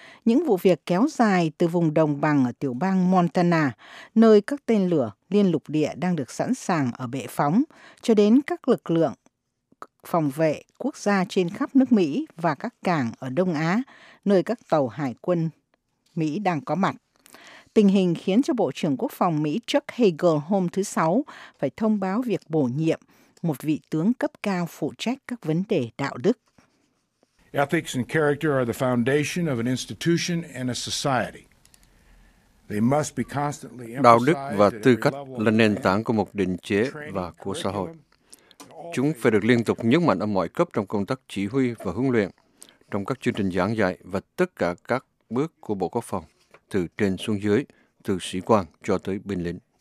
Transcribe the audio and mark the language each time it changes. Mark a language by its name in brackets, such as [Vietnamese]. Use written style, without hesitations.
[Vietnamese] Những vụ việc kéo dài từ vùng đồng bằng ở tiểu bang Montana, nơi các tên lửa liên lục địa đang được sẵn sàng ở bệ phóng, cho đến các lực lượng phòng vệ quốc gia trên khắp nước Mỹ và các cảng ở Đông Á, nơi các tàu hải quân Mỹ đang có mặt. Tình hình khiến cho Bộ trưởng Quốc phòng Mỹ Chuck Hagel hôm thứ Sáu phải thông báo việc bổ nhiệm một vị tướng cấp cao phụ trách các vấn đề đạo đức. [English] Ethics and character are the foundation of an institution and a society. They must be constantly emphasized. [Vietnamese] Đạo đức và tư cách là nền tảng của một định chế và của xã hội. Chúng phải được liên tục nhấn mạnh ở mọi cấp trong công tác chỉ huy và huấn luyện, trong các chương trình giảng dạy và tất cả các bước của Bộ Quốc phòng. Từ trên xuống dưới, từ sĩ quan cho tới binh lính.